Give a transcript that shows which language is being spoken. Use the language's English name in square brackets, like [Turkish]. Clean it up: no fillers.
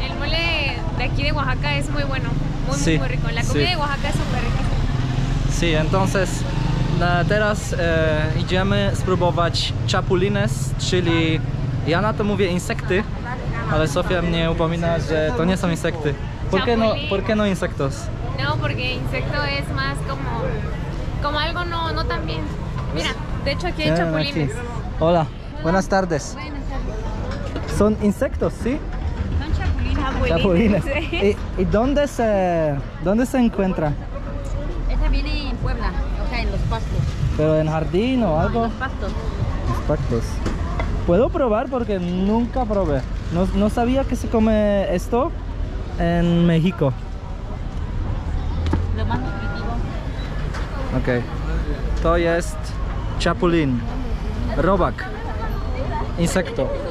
[Spanish] El mole de aquí de Oaxaca es muy bueno. Muy, sí, muy, muy rico. La comida de Oaxaca es súper riquísima. Sí, entonces, [Polish] teraz idziemy spróbować chapulines, czyli ya na to mówię insekty, ale Sofia mnie upomina, że to nie są insekty. [Spanish] ¿Por qué no insectos? No, porque insecto es más como algo no tan bien. Mira, de hecho aquí hay chapulines. Aquí. Hola, buenas tardes. Buenas tardes. ¿Son insectos, sí? Son chapulines. Chapulines. ¿Y dónde se encuentra? Esta viene en Puebla, o sea, en los pastos. ¿Pero en jardín o algo? No, en los pastos. Los pastos. ¿Puedo probar? Porque nunca probé. No sabía que se come esto en México. [Polish] Ok, to jest chapulín, robak, insekto.